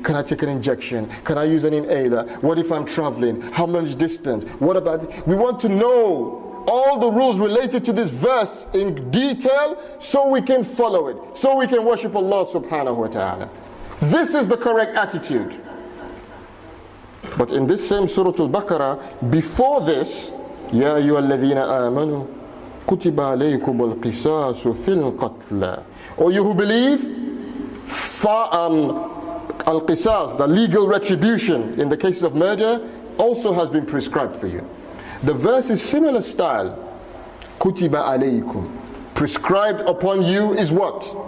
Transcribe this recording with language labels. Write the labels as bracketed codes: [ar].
[en] Can I take an injection? Can I use an inhaler? What if I'm traveling? How much distance? What about we want to know all the rules related to this verse in detail so we can follow it, so we can worship Allah subhanahu wa ta'ala. This is the correct attitude. But in this same Surah Al-Baqarah, before this, [ar] يا أيها الذين آمنوا كتب عليكم القصاص في القتل. [en] O you who believe, القصاص, the legal retribution in the cases of murder, also has been prescribed for you. The verse is similar style. [ar] كتب عليكم, [en] prescribed upon you is what?